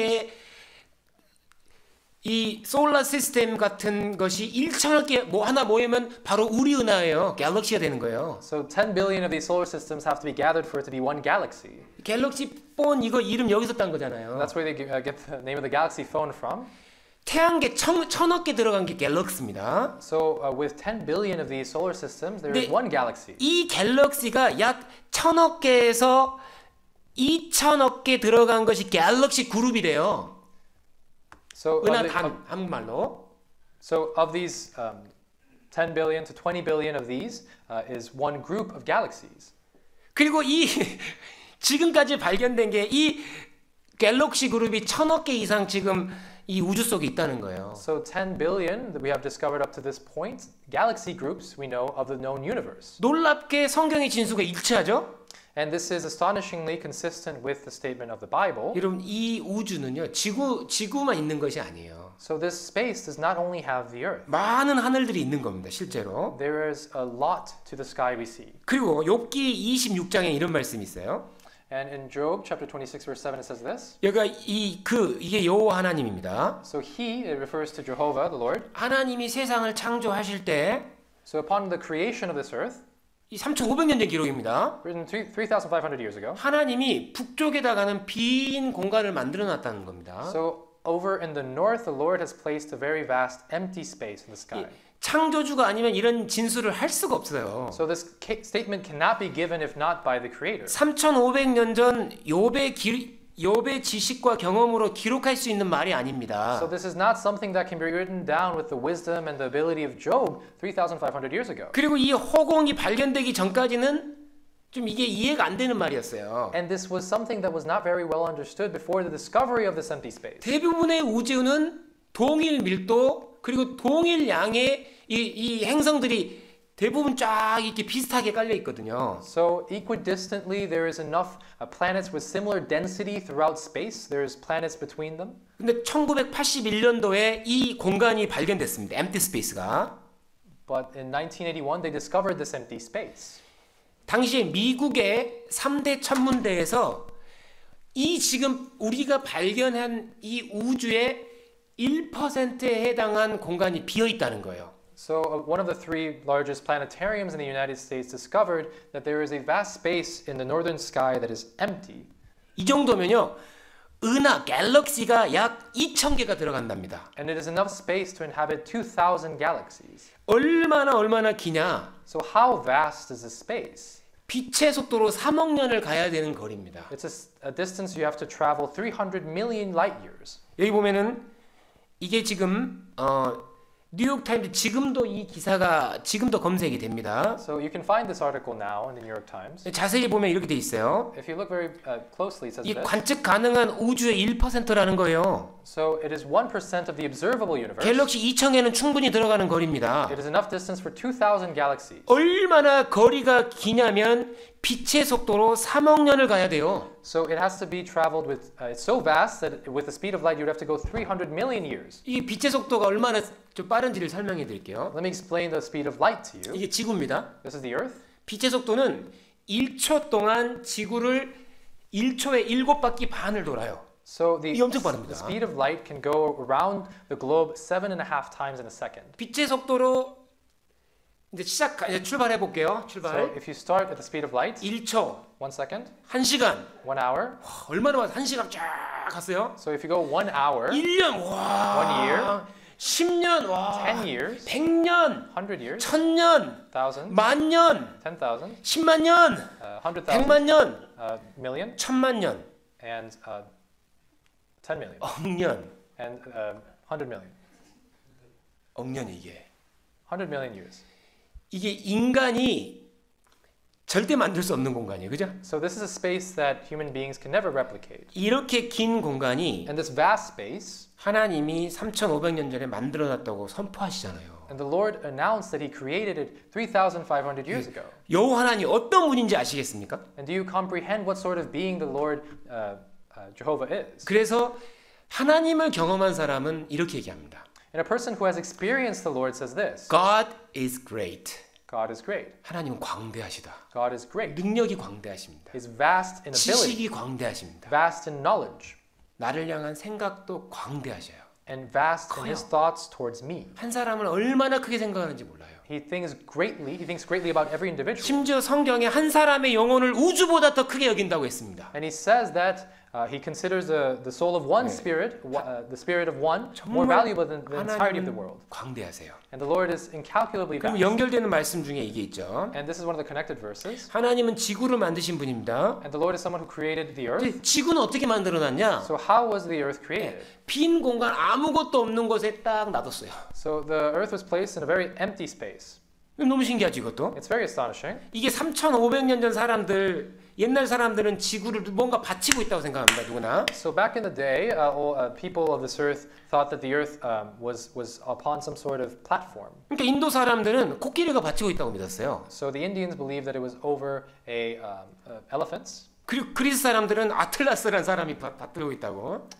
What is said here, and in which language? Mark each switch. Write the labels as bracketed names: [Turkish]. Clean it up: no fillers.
[Korean] 1,000억 개 이 솔라 시스템 같은 것이 1,000억 개 뭐 하나 모이면 바로 우리 은하예요. 갤럭시가 되는 거예요. [English] So 10 billion of these solar systems have to be gathered for it to be one galaxy. [Korean] 갤럭시 폰 이거 이름 여기서 딴 거잖아요. [English] That's where they get the name of the galaxy phone from. [Korean] 태양계 천억 개 들어간 게 갤럭시입니다. [English] So with 10 billion of these solar systems, there is one galaxy. [Korean] 이 갤럭시가 약 천억 개에서 2천억 개 들어간 것이 갤럭시 그룹이 돼요. [English] So [Korean] 은하 단 한국말로. [English] So of these 10 billion to 20 billion of these is one group of galaxies. [Korean] 그리고 이 지금까지 발견된 게 이 갤럭시 그룹이 천억 개 이상 지금 이 우주 속에 있다는 거예요. [English] So 10 billion that we have discovered up to this point, galaxy groups we know of the known universe. [Korean] 놀랍게 성경의 진술과 일치하죠? [English] And this is astonishingly consistent with the statement of the Bible. [Korean] 여러분, 이 우주는요, 지구만 있는 것이 아니에요. [English] So this space does not only have the earth. [Korean] 많은 하늘들이 있는 겁니다, 실제로. [English] There is a lot to the sky we see. [Korean] 그리고 욥기 26장에 이런 말씀이 있어요. [English] And in Job chapter 26 verse 7 it says this. [Korean] 여기가 이게 여호와 하나님입니다. [English] So he it refers to Jehovah the Lord. [Korean] 하나님이 세상을 창조하실 때 [English] So upon the creation of this earth [Korean] 이 3,500년 전 기록입니다. [English] Written 3,500 years ago. [Korean] 하나님이 북쪽에다가는 빈 공간을 만들어 놨다는 겁니다. [English] So over in the north, the Lord has placed a very vast empty space in the sky. [Korean] 창조주가 아니면 이런 진술을 할 수가 없어요. [English] So this statement cannot be given if not by the Creator. [Korean] 3,500년 전 욥의 지식과 경험으로 기록할 수 있는 말이 아닙니다. [English] So this is not something that can be written down with the wisdom and the ability of Job 3,500 years ago. [Korean] 그리고 이 허공이 발견되기 전까지는 좀 이게 이해가 안 되는 말이었어요. [English] And this was something that was not very well understood before the discovery of this empty space. [Korean] 대부분의 우주는 동일 밀도 그리고 동일 양의 이 행성들이 대부분 쫙 이렇게 비슷하게 깔려 있거든요. [English] So equidistantly there is enough planets with similar density throughout space. There is planets between them. [Korean] 근데 1981년도에 이 공간이 발견됐습니다. [English] Empty space가. But in 1981 they discovered this empty space. [Korean] 당시에 미국의 3대 천문대에서 이 지금 우리가 발견한 이 우주의 1%에 해당한 공간이 비어 있다는 거예요. [English] So one of the three largest planetariums in the United States discovered that there is a vast space in the northern sky that is empty. [Korean] 이 정도면요. 은하 갤럭시가 약 2000개가 들어간답니다. [English] And it is enough space to inhabit 2000 galaxies. [Korean] 얼마나 기냐? [English] So how vast is this space? [Korean] 빛의 속도로 3억 년을 가야 되는 거리입니다. [English] It's a distance you have to travel 300 million light years. [Korean] 여기 보면은 이게 지금 뉴욕타임즈 지금도 이 기사가 지금도 검색이 됩니다. [English] So you can find this article now in the New York Times. [Korean] 자세히 보면 이렇게 돼 있어요. [English] If you look very closely, it says this. [Korean] 이 관측 가능한 우주의 1%라는 거예요. [English] So it is 1% of the observable universe. [Korean] 갤럭시 2000개는 충분히 들어가는 거리입니다. [English] It is enough distance for 2000 galaxies. [Korean] 얼마나 거리가 기냐면 빛의 속도로 3억 년을 가야 돼요. [English] So it has to be traveled with it's so vast that with the speed of light you would have to go 300 million years. [Korean] 이 빛의 속도가 얼마나 좀 빠른지를 설명해 드릴게요. [English] Let me explain the speed of light to you. [Korean] 이게 지구입니다. [English] This is the Earth. [Korean] 빛의 속도는 1초 동안 지구를 1초에 7바퀴 반을 돌아요. [English] So the speed of light can go around the globe 7.5 times in a second. [Korean] 빛의 속도로 이제 출발해 볼게요. 출발. [English] So if you start at the speed of light, [Korean] 1초, [English] 1 second, [Korean] 1시간, [English] 1 hour. [Korean] 얼마나 와서 1시간 쫙 갔어요? [English] So if you go 1 hour, [Korean] 1년, 와. [English] 1 year, [Korean] 10년, 와. [English] 10 years, [Korean] 100년, [English] 100 years, [Korean] 1000년, [English] 1000, [Korean] 만년, [English] 10000, [Korean] 10만년, [English] 100,000, [Korean] 100만년, [English] million, [Korean] 1000만년, [English] and 10 million. [Korean] 억년. [English] And 100 million. [Korean] 억년 이게. [English] 100 million years. [Korean] 이게 인간이 절대 만들 수 없는 공간이에요. 그죠? [English] So this is a space that human beings can never replicate. [Korean] 이렇게 긴 공간이 [English] And this vast space [Korean] 하나님이 3500년 전에 만들어 놨다고 선포하시잖아요. [English] And the Lord announced that he created it 3500 years ago. [Korean] 여호와 하나님 어떤 분인지 아시겠습니까? [English] And do you comprehend what sort of being the Lord Jehovah is? [Korean] 그래서 하나님을 경험한 사람은 이렇게 얘기합니다. [English] And a person who has experienced the Lord says this. God is great. God is great. [Korean] 하나님은 광대하시다. [English] God is great. [Korean] 능력이 광대하십니다. [English] He's vast in ability. [Korean] 지식이 광대하십니다. [English] Vast in knowledge. [Korean] 나를 향한 생각도 광대하셔요. [English] And vast [Korean] 커요. [English] in his thoughts towards me. [Korean] 한 사람을 얼마나 크게 생각하는지 몰라요. [English] He thinks greatly. He thinks greatly about every individual. [Korean] 심지어 성경에 한 사람의 영혼을 우주보다 더 크게 여긴다고 했습니다. [English] And he says that he considers the soul of one [Korean] 네. [English] spirit, the spirit of one, more valuable than the entirety of the world. [Korean] 광대하세요. [English] And the Lord is incalculably vast. [Korean] 그럼 연결되는 말씀 중에 이게 있죠. [English] And this is one of the connected verses. [Korean] 하나님은 지구를 만드신 분입니다. [English] And the Lord is someone who created the earth. [Korean] 지구는 어떻게 만들어놨냐? [English] So how was the earth created? [Korean] 네. 빈 공간 아무것도 없는 곳에 딱 놔뒀어요. [English] So the earth was placed in a very empty space. [Korean] 너무 신기하지 이것도? [English] It's very astonishing. [Korean] 이게 3,500년 전 사람들 옛날 사람들은 지구를 뭔가 바치고 있다고 생각합니다. 누구나. [English] So back in the day, people of this earth thought that the earth was upon some sort of platform. [Korean] 그러니까 인도 사람들은 코끼리가 바치고 있다고 믿었어요. [English] So the Indians believed that it was over a elephants. [Korean] 그리고 그리스 사람들은 아틀라스라는 사람이 바치고 있다고.